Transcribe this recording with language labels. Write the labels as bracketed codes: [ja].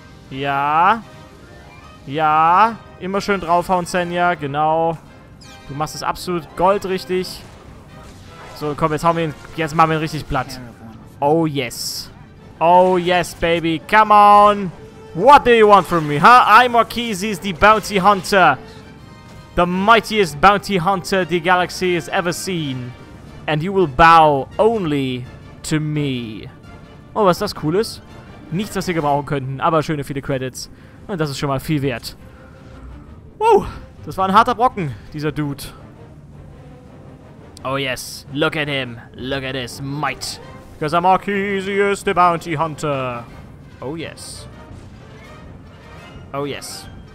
[de] Ja. Ja. Immer schön draufhauen, Senja. Genau. Du machst es absolut goldrichtig. So, komm, jetzt hauen wir ihn. Jetzt machen wir ihn richtig platt. [en] Oh, yes. Oh, yes, baby. Come on. What do you want from me, huh? I'm Arkeezis, the bounty hunter. The mightiest bounty hunter the galaxy has ever seen. And you will bow only to me. [de] Oh, was das cool ist. Nichts, was wir gebrauchen könnten, aber schöne viele Credits. Und das ist schon mal viel wert. Wow, das war ein harter Brocken, dieser Dude. [en] Oh yes, look at him. Look at his might. Because I'm Arkeezis, the bounty hunter. Oh yes. Oh yes.